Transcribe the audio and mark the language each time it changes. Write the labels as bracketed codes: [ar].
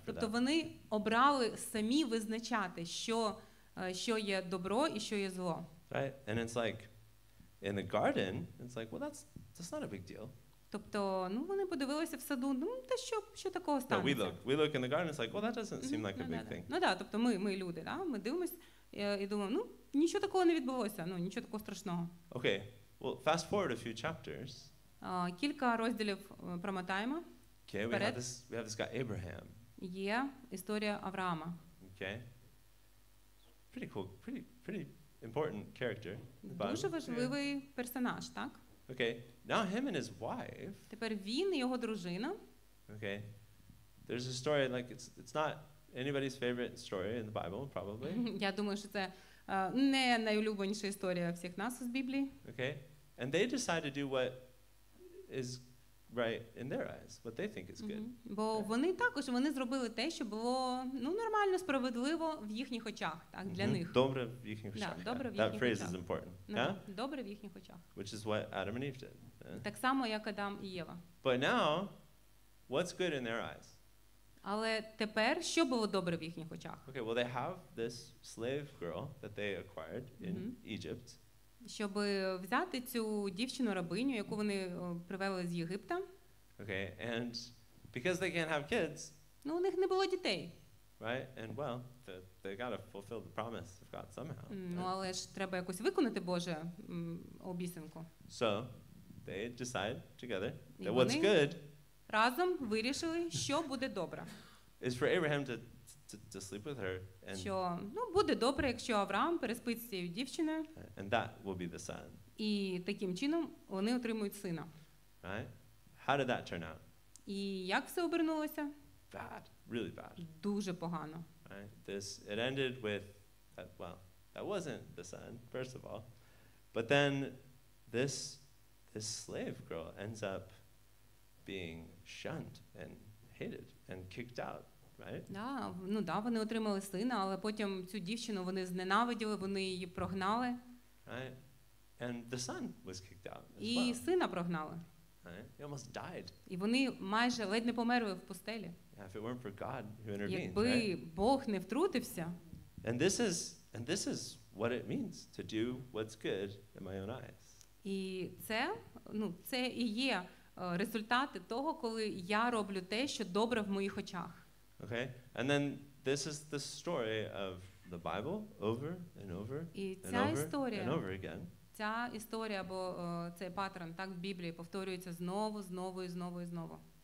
[uk] Тобто вони обрали самі визначати, що є добро і що є зло. [en] Right? And it's like in the garden, it's like, well, that's not a big deal. [uk] Тобто, ну, вони подивилися в саду, ну, та що такого станеться? [en] No, we look in the garden, it's like, well, that doesn't seem like a big thing. [uk] Ну, да, тобто ми люди, да, ми дивимось і думаємо, ну, нічого такого не відбулося, ну, нічого такого страшного. [en] Okay, well, fast forward a few chapters. [uk] Кілька розділів промотаємо. [en] Okay, we have this guy Abraham. [uk] Є історія Авраама. [en] Okay. Pretty cool, pretty important character. [uk] Дуже важливий персонаж, так? [en] Okay. Now him and his wife. [uk] Тепер він і його дружина. [en] Okay. There's a story like it's not anybody's favorite story in the Bible probably. [uk] Я думаю, що це не найулюбленіша історія всіх нас з Біблії. [en] Okay. And they decide to do what is right in their eyes, what they think is good. [uk] Бо вони також вони зробили те, що було, ну, нормально, справедливо в їхніх очах, так, для них. Добре в їхніх очах. Так, добре в їхніх очах. [en] That phrase is important. [uk] Добре в їхніх очах. [en] Which is what Adam and Eve did. [uk] Так само, як Адам і Єва. [en] But now, what's good in their eyes? [uk] Але тепер що було добре в їхніх очах? [en] Okay, well they have this slave girl that they acquired in Egypt. [uk] Щоб взяти цю дівчину-рабиню, яку вони привели з Єгипта. [en] Okay, and because they can't have kids. [uk] Ну, у них не було дітей. [en] Right, and well, they got to fulfill the promise of God somehow. [uk] Ну, але ж треба якось виконати Боже обіцянку. [en] So, they decide together that what's good. [uk] Разом вирішили, що буде добре. [en] Is for Abraham to sleep with her and [uk] що, ну, буде добре, якщо Авраам переспить з цією дівчиною. [en] And that will be the son. [uk] І таким чином вони отримують сина. [en] Right? How did that turn out? [uk] І як все обернулося? [en] Bad. Really bad. [uk] Дуже погано. [en] Right? This it ended with well, that wasn't the son, first of all. But then this slave girl ends up being shunned and hated and kicked out. Right? [uk] Да, ну да, вони отримали сина, але потім цю дівчину вони зненавиділи, вони її прогнали. [en] Right? And the son was kicked out. [uk] І сина прогнали. [en] Right? He almost died. [uk] І вони майже ледь не померли в постелі. [en] Yeah, if it weren't for God who intervened. [uk] Якби Бог не втрутився. [en] And this is what it means to do what's good in my own eyes. [uk] І це, ну, це і є результати того, коли я роблю те, що добре в моїх очах. [en] Okay. And then this is the story of the Bible over and over and over again. [uk] Ця історія або цей паттерн так в Біблії повторюється знову, знову і знову і знову.